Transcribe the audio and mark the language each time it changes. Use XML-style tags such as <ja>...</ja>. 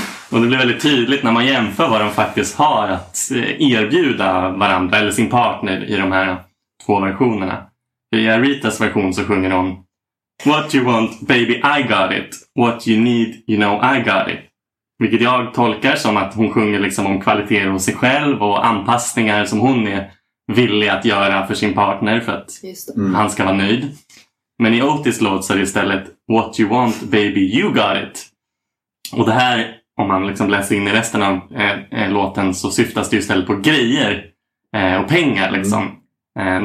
<sv>Och det blir väldigt tydligt när man jämför vad de faktiskt har att erbjuda varandra eller sin partner i de här två versionerna. I Aretas version så sjunger hon:</sv> <en>What you want, baby, I got it. What you need, you know, I got it.</en> <sv>Vilket jag tolkar som att hon sjunger liksom om kvaliteter hos sig själv och anpassningar som hon är villig att göra för sin partner för att han ska vara nöjd. Men i Otis låt så är det istället</sv> <en>What you want baby you got it.</en> <sv>Och det här, om man liksom läser in i resten av låten, så syftas det istället på grejer och pengar liksom. Mm.</sv>